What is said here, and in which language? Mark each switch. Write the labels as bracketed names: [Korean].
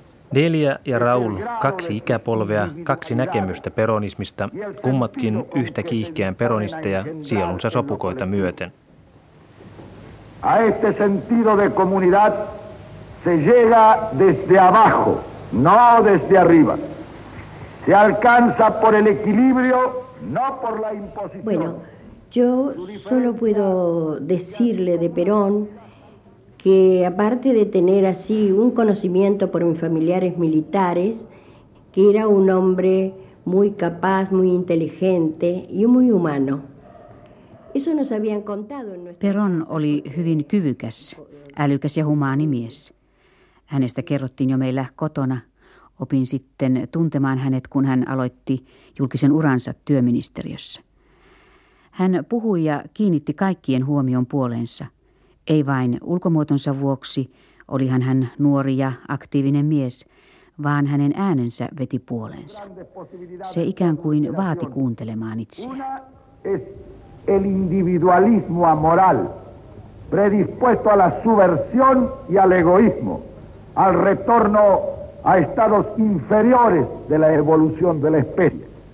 [Finnish] Delia ja Raúl, kaksi ikäpolvea, kaksi näkemystä peronismista, kummatkin yhtä kiihkeän peronisteja sielunsa sopukoita myöten. [Spanish] A este sentido de comunidad se llega desde abajo, no desde arriba. Se alcanza por el equilibrio, no por la imposición. Bueno, yo solo puedo decirle de Perón que aparte de tener así un conocimiento por mis familiares militares, que era un hombre muy capaz, muy inteligente y muy humano. Eso nos habían contado en nuestro... [Finnish] Perón oli hyvin kyvykäs, älykäs ja humaani mies. Hänestä kerrottiin jo meillä kotona. Opin sitten tuntemaan hänet, kun hän aloitti julkisen uransa työministeriössä. Hän puhui ja kiinnitti kaikkien huomion puoleensa. Ei vain ulkomuotonsa vuoksi, olihan hän nuori ja aktiivinen mies, vaan hänen äänensä veti puoleensa. Se ikään kuin vaati kuuntelemaan itseään. [Spanish] Una es el individualismo amoral, predispuesto a la subversión y al egoísmo, al retorno a estados inferiores de la evolución de la especie.